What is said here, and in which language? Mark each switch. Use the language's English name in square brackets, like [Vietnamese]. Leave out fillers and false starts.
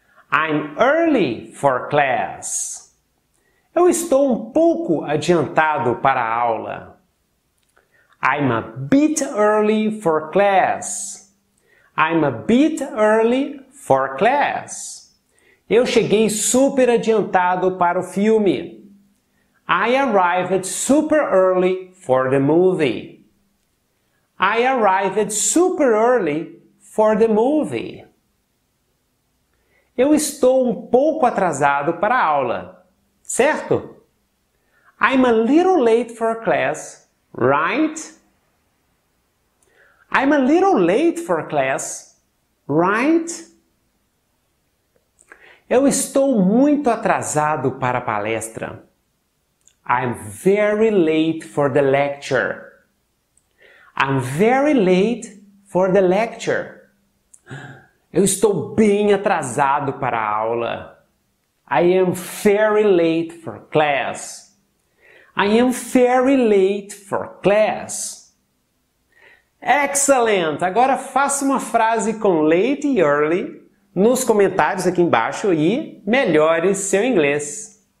[English] I'm early for class. [Portuguese] Eu estou um pouco adiantado para a aula. [English] I'm a bit early for class. I'm a bit early for class. [Portuguese] Eu cheguei super adiantado para o filme. [English] I arrived super early for the movie. I arrived super early for the movie. [Portuguese] Eu estou um pouco atrasado para a aula, certo? [English] I'm a little late for class, right? I'm a little late for class, right? [Portuguese] Eu estou muito atrasado para a palestra. [English] I'm very late for the lecture. I'm very late for the lecture. [Portuguese] Eu estou bem atrasado para a aula. [English] I am very late for class. I am very late for class. Excellent! [Portuguese] Agora faça uma frase com late e early nos comentários aqui embaixo e melhore seu inglês.